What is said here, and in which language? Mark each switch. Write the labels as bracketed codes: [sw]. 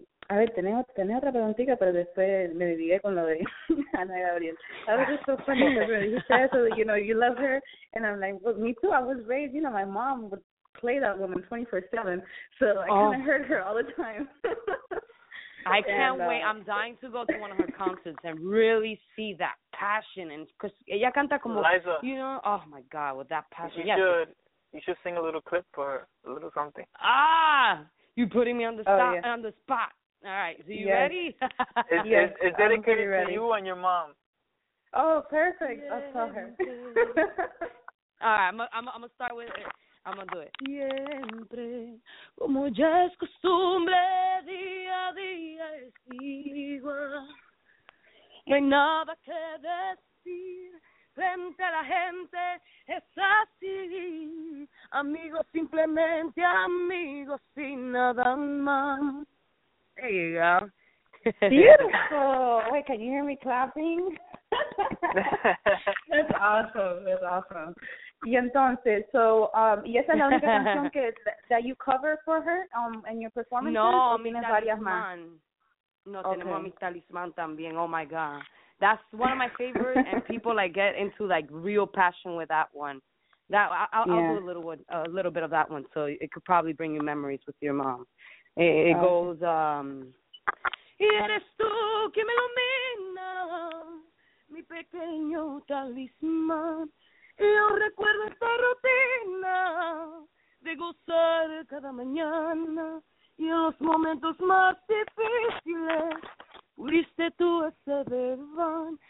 [es] A ver, tenía otra preguntita, pero después me dividí con lo de Ana Gabriel. [en] That was just so funny because you said, so, you know, you love her. And I'm like, well, me too. I was raised, you know, my mom would play that woman 24/7. So I kind of heard her all the time. I can't wait. I'm dying to go to one of her concerts and really see that passion. And because [es] ella canta como, [en] Liza, you know, oh my God, with that passion. You should. You should sing a little clip for a little something. Ah, you're putting me on the spot. Oh, yeah. On the spot. All right, so you yes. ready? It's yes, dedicated ready. To you and your mom. Oh, perfect. Yeah. I'll tell her. All right, I'm going to start with it. I'm going to do it. [es] Siempre, como ya es costumbre, día a día es igual. No hay nada que decir frente a la gente, es así. Amigos, simplemente amigos, sin nada más. [en] There you go. Beautiful. Wait, can you hear me clapping? That's awesome. That's awesome. [es] Y entonces, so, ¿y esa es la única canción que, [en] that you cover for her in your performances? [es] No, o mi talismán. No, [en] okay. [es] Tenemos mi talismán también. [en] Oh, my God. That's one of my favorites, and people, like, get into, like, real passion with that one. That I'll, yeah. I'll do a little bit of that one, so it could probably bring you memories with your mom. It goes, [es] Y eres tú quien me ilumina, mi pequeño talismán. Yo recuerdo esta rutina de gozar cada mañana. Y en los momentos más difíciles, fuiste tú ese verbán.